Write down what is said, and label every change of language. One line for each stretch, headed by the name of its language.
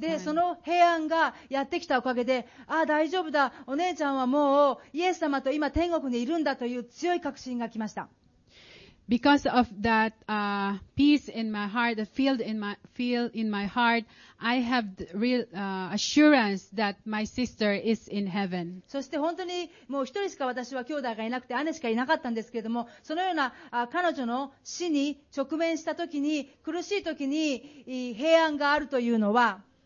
Japanese: で、その平安がやってきたおかげで、ああ、大丈夫だ。お姉ちゃんはもうイエス様と今天国にいるんだという強い確信が来ました。
English: Because of that peace in my heart, the feel in my heart, I have the real assurance that my sister is in heaven.
Japanese: そして本当にもう一人しか私は兄弟がいなくて姉しかいなかったんですけれども、そのような彼女の死に直面した時に苦しい時に平安があるというのは、